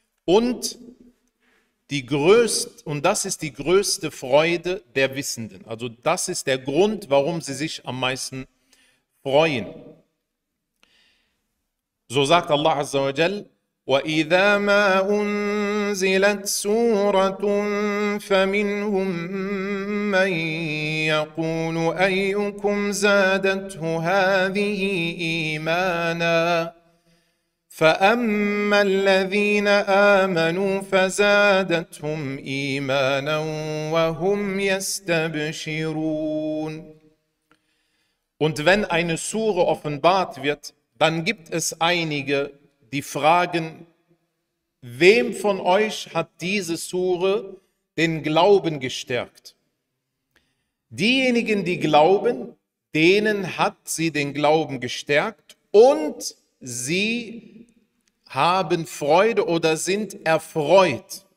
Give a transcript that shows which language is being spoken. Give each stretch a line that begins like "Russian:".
German: Und das ist die größte Freude der Wissenden. Also das ist der Grund, warum sie sich am meisten freuen. So sagt Allah Azza wa Jal,
Arabic: وَإِذَا مَا أنزلت سورة فمنهم من يقول أيكم زادته هذه إيمانا فأما الذين آمنوا فزادتهم إيمانا وهم يستبشرون.
German: Und wenn eine Sure offenbart wird, dann gibt es einige, die fragen, wem von euch hat diese Sure den Glauben gestärkt? Diejenigen, die glauben, denen hat sie den Glauben gestärkt und sie haben Freude oder sind erfreut.